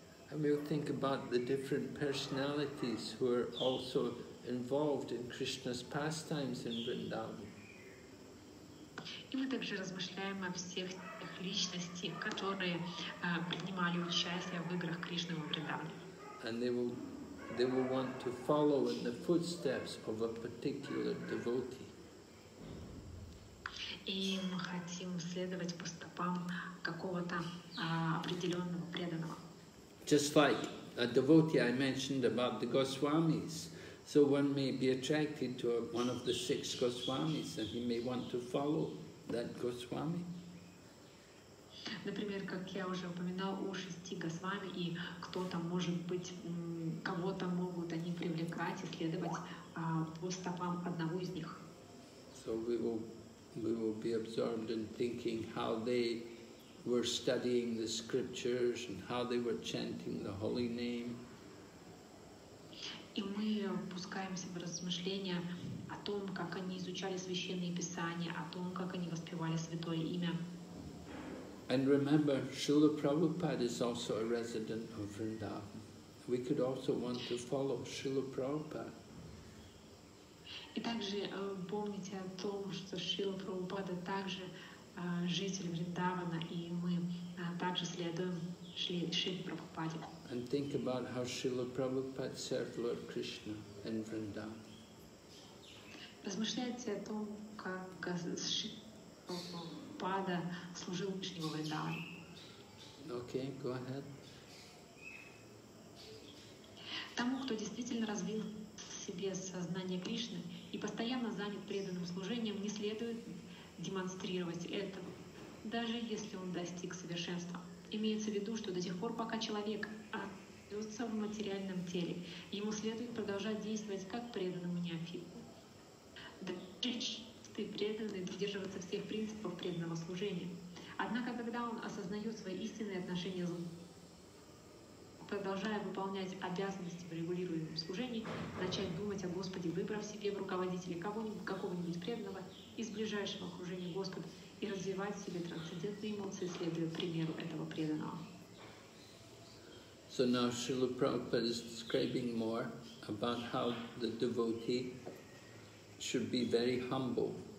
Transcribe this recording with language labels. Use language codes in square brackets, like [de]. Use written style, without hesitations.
[en] And we'll think about the different personalities who are also involved in Krishna's pastimes in Vrindavan. [ru] И мы также размышляем о всех личностей, которые принимали участие в играх Кришны во Вриндаване. [en] And they will want to follow in the footsteps of a particular devotee. [ru] И мы хотим следовать по стопам какого-то определенного преданного. [en] Just like a devotee I mentioned about the Goswamis. So one may be attracted to one of the 6 Goswamis, and he may want to follow that Goswami. [ru] Например, как я уже упоминал, у 6 Госвами, и кто-то может быть, кого-то могут они привлекать и следовать по стопам одного из них. [en] So we will be absorbed in thinking how they were studying the scriptures and how they were chanting the holy name. [ru] И мы пускаемся в размышления о том, как они изучали священные писания, о том, как они воспевали святое имя. [en] And remember, Srila Prabhupada is also a resident of Vrindavan. We could also want to follow Srila Prabhupada. [ru] И также помните о том, что Шрила Прабхупада также житель Вриндавана, и мы также следуем Шриле Прабхупаде. [en] And think about how Srila Prabhupada served Lord Krishna in Vrindavan. [ru] Размышляйте о том, как Шрила Прабхупада служил Кришне во Вриндаване. [en] Okay, go ahead. [ru] Тому, кто действительно развил в себе сознание Кришны и постоянно занят преданным служением, не следует демонстрировать этого, даже если он достиг совершенства. Имеется в виду, что до тех пор, пока человек остается в материальном теле, ему следует продолжать действовать как преданному неофиту. Даже чистый преданный придерживается всех принципов преданного служения. Однако, когда он осознает свои истинные отношения с продолжая выполнять обязанности в регулируемом служении, начать думать о Господе, выбрав себе в руководителя какого-нибудь преданного из ближайшего окружения Господа и развивать в себе трансцендентные эмоции, следуя примеру этого преданного. [en] So now Srila Prabhupada is describing more about how the devotee should be very humble.